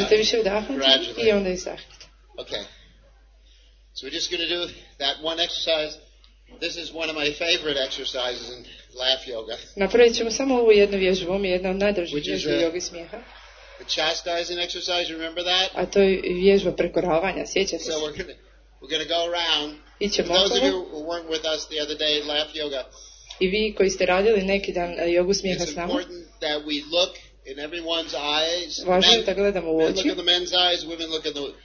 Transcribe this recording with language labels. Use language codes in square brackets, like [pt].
[hr] Možete više udahnuti i onda izdahnete. [en] Okay. So we're just going to do that one exercise. This is one of my favorite exercises in laugh yoga. [hr] Napravit ćemo samo ovu jednu vježbu, jedna od najdražih vježbi jogi smijeha. [en] The chastising exercise, you remember that? [hr] A to je vježba prekoravanja, sjećate se. [en] So we're going to go around. [hr] Ićemo okolo. [en] Those of you who weren't with us the other day, laugh yoga. [hr] I vi koji ste radili neki dan jogu smijeha s nama. [en] It's important that we look in everyone's eyes. [hr] Važno je da gledamo u oči. [en] Men look in the men's eyes, women look in the...